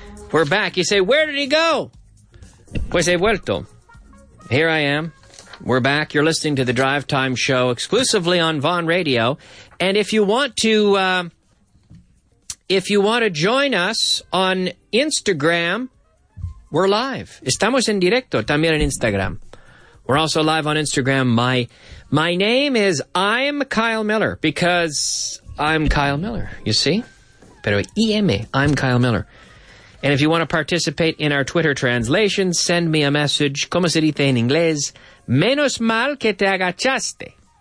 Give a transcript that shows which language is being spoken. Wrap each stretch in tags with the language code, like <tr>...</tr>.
<en>We're back. You say, where did he go?</en> <es>Pues he vuelto.</es> <en>Here I am. We're back. You're listening to the Drive Time Show exclusively on Vaughan Radio. And if you want to join us on Instagram, we're live.</en> <es>Estamos en directo también en Instagram.</es> <en>We're also live on Instagram. My name is I'm Kyle Miller because I'm Kyle Miller, you see? Pero EM, I'm Kyle Miller. And if you want to participate in our Twitter translation, send me a message.</en> <es>¿Cómo se dice en inglés? Menos mal que te agachaste.</es>